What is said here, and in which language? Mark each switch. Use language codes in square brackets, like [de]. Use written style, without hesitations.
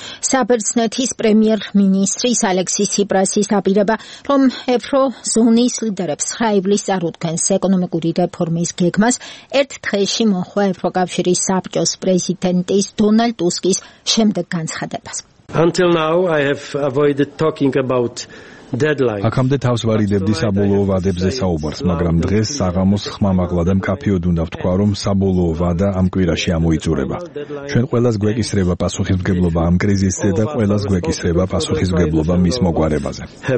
[ka] საბერძნეთის პრემიერ-მინისტრის ალექსის ციპრასის აპირება, რომ ევროზონის ლიდერებს 9 ივლისს წარუდგენს ეკონომიკური რეფორმის გეგმას, ერთ დღეში მოხვა ევროკავშირის საბჭოს პრეზიდენტის დონალდ ტუსკის შემდეგ განცხადებას. [en] Until now I have avoided talking about deadline. [ka] აქამდე თავს ვარიდებდი საბოლოო ვადებზე საუბარს, მაგრამ დღეს საღამოს ხმამაღლა და მკაფიოდ უნდა ვთქვა, რომ საბოლოო ვადა ამ კვირაში ამოიწურება. ჩვენ ყველას გვეკისრება პასუხისმგებლობა ამ კრიზისზე და ყველას გვეკისრება პასუხისმგებლობა მის მოგვარებაზე.